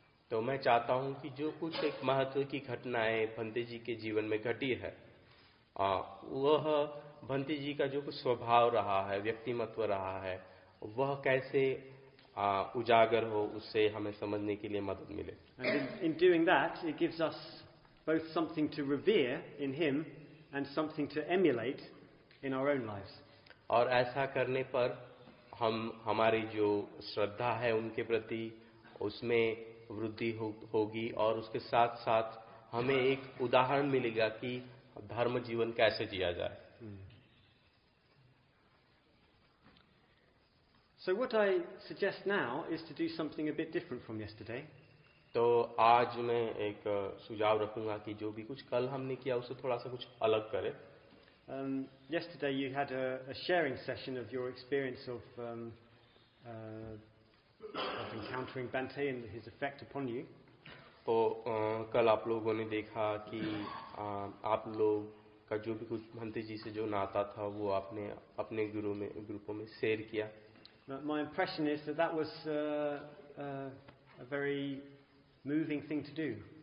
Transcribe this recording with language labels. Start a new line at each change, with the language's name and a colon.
Hindi: तो मैं चाहता हूँ कि जो कुछ एक महत्व की घटनाएं भंते जी के जीवन में घटी है वह भंते जी का जो कुछ स्वभाव रहा है, व्यक्तिमत्व रहा है, वह कैसे उजागर हो, उससे हमें समझने के लिए मदद मिले.
English: And in doing that, it gives us both something to revere in him and something to emulate in our own lives.
Hindi: और ऐसा करने पर हम हमारी जो श्रद्धा है उनके प्रति उसमें वृद्धि होगी और उसके साथ साथ हमें एक उदाहरण मिलेगा कि धर्म जीवन कैसे जिया जाए.
English: So what I suggest now is to do something a bit different from yesterday.
Hindi: तो आज मैं एक सुझाव रखूंगा कि जो भी कुछ कल हमने किया उससे थोड़ा सा कुछ अलग करें.
English: Yesterday you had a sharing session of your experience of encountering Bhante and his effect upon you.
Hindi: तो कल आप लोगों ने देखा कि आप लोग का जो भी कुछ भंते जी से जो नाता था वो आपने अपने ग्रुपों में शेयर किया.
English: My impression is that was a very moving thing to do.